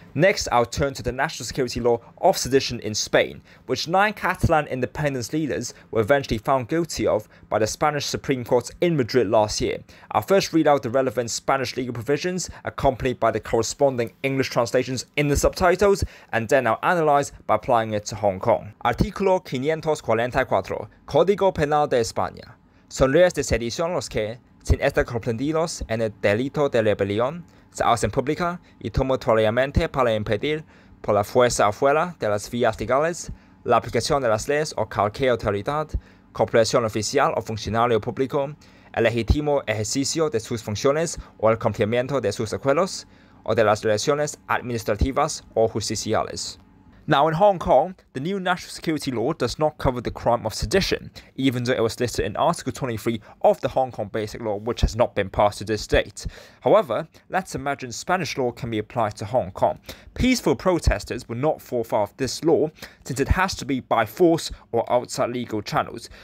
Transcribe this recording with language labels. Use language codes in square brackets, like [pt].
[en] Next, I'll turn to the national security law of sedition in Spain, which 9 Catalan independence leaders were eventually found guilty of by the Spanish Supreme Court in Madrid last year. I'll first read out the relevant Spanish legal provisions, accompanied by the corresponding English translations in the subtitles, and then I'll analyze by applying it to Hong Kong. [es] Artículo 544, Código Penal de España. Son leyes de sedición los que, sin estar comprendidos en el delito de rebelión, se hacen pública y tumultuariamente para impedir, por la fuerza afuera de las vías legales, la aplicación de las leyes o cualquier autoridad, corporación oficial o funcionario público, el legítimo ejercicio de sus funciones o el cumplimiento de sus acuerdos, o de las relaciones administrativas o justiciales. [en] Now, in Hong Kong, the new national security law does not cover the crime of sedition, even though it was listed in Article 23 of the Hong Kong Basic Law, which has not been passed to this date. However, let's imagine Spanish law can be applied to Hong Kong. Peaceful protesters would not fall foul of this law, since it has to be by force or outside legal channels.